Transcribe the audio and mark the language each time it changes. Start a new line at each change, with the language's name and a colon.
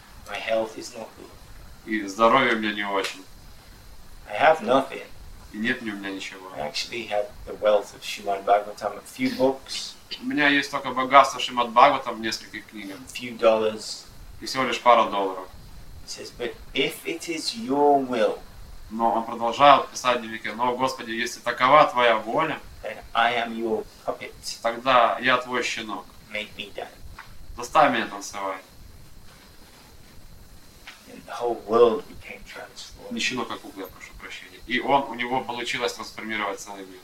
English: My health is not good.
Russian: И здоровье у меня не очень.
English: I have nothing.
Russian: И нет ни у меня ничего.
English: I actually had the wealth of Srimad Bhagavatam, a few books.
Russian: У меня есть только богатство Шримад Бхагаватам в нескольких книгах.
English: A few dollars.
Russian: И всего лишь пара долларов.
English: He says, but if it is your will.
Russian: Но он продолжает писать в дневнике: но, Господи, если такова твоя воля,
English: then I am your puppet.
Russian: Тогда я твой щенок.
English: Make me dance.
Russian: Заставь меня танцевать.
English: And the whole world became transformed.
Russian: Не щенок, а кукла, прошу прощения. И он, у него получилось трансформировать целый мир.